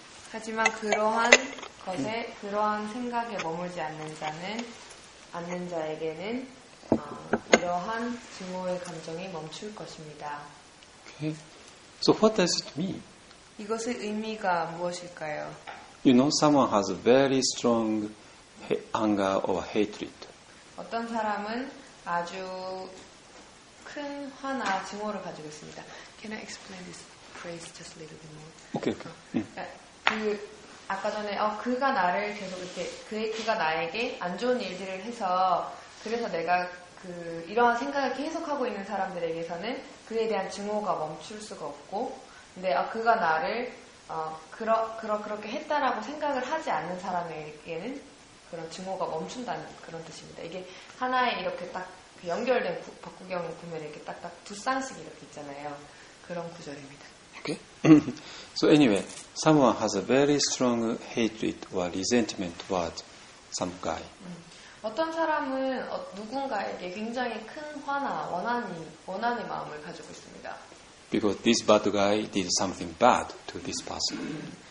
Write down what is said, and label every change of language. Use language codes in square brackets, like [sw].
[ko] 하지만 그러한 것에 그러한 생각에 머물지 않는 자는 않는 자에게는 이러한 증오의 감정이 멈출 것입니다. [en] Okay. So what does it mean? [ko] 이것의 의미가 무엇일까요? [en] You know, someone has a very strong anger or hatred. [ko] 어떤 사람은 아주 큰 화나 증오를 가지고 있습니다. [en] Can I explain this phrase just a little bit more? Okay, okay. [ko] 아까 전에 그가 나를 계속 이렇게 그가 나에게 안 좋은 일들을 해서 그래서 내가 이러한 생각을 계속하고 있는 사람들에게서는 그에 대한 증오가 멈출 수가 없고 근데 그가 나를 그렇게 했다라고 생각을 하지 않는 사람에게는 그런 증오가 멈춘다는 그런 뜻입니다. 이게 하나의 이렇게 딱 연결된 법구경 구멜에 이렇게 딱딱 두 쌍씩 이렇게 있잖아요. 그런 구절입니다. [en] Okay. So anyway, someone has a very strong hatred or resentment towards some guy. [ko] 어떤 사람은 누군가에게 굉장히 큰 화나 원한이 마음을 가지고 있습니다. [en] Because this bad guy did something bad to this person.